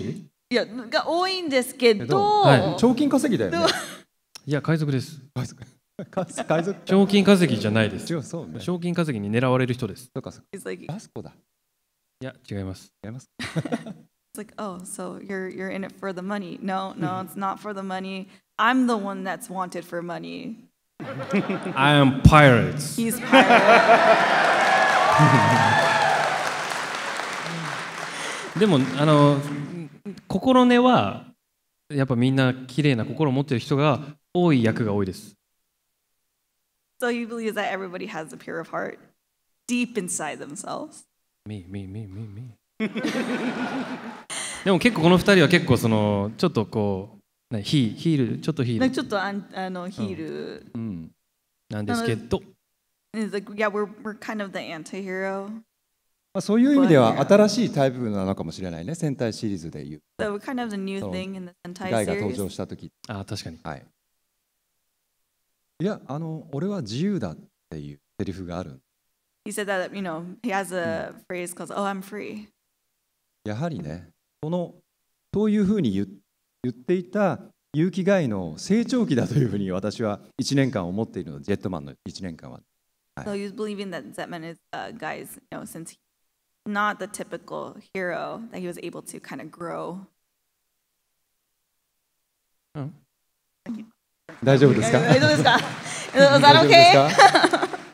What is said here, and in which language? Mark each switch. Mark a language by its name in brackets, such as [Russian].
[Japanese] いや、が多いんですけど。はい。賞金稼ぎだよね。いや、海賊です。海賊。海賊。賞金稼ぎじゃないです。違う、そうね。賞金稼ぎに狙われる人です。とかさ。 [English] It's like [Japanese] バスコだ。いや、違います。違います。 [English] It's like, oh, so you're in it for the money? No, no, it's not for the money. I'm the one that's wanted for money. I am pirates. He's [Japanese] でもあの心根はやっぱみんな綺麗な心を持ってる人が多い役が多いです。 [English] So you believe that everybody has a pure of heart deep inside themselves? Me. [Japanese] でも結構この二人は結構そのちょっとこうヒールちょっとヒール。なんかちょっとあのヒール、うん。なんですけど。 [English] It's like, yeah, we're kind of the anti-hero. [Japanese] まあ、そういう意味では新しいタイプなのかもしれないね、戦隊シリーズでいう。 [English] So we're kind of the new thing in the Sentai series. [Japanese] ガイが登場したとき。ああ、確かに。はい。いや、あの、俺は自由だっていうセリフがある。 [English] He said that, you know, he has a phrase called, oh, I'm free. [Japanese] やはりね、この、そういうふうに言っていた勇気ガイの成長期だというふうに私は1年間思っているの、ジェットマンの1年間は。 [English] So you believe in that Zetman is a guy's, you know, since he's not the typical hero, that he was able to kind of grow. [Japanese] 大丈夫ですか？大丈夫ですか？ [English] Is that okay?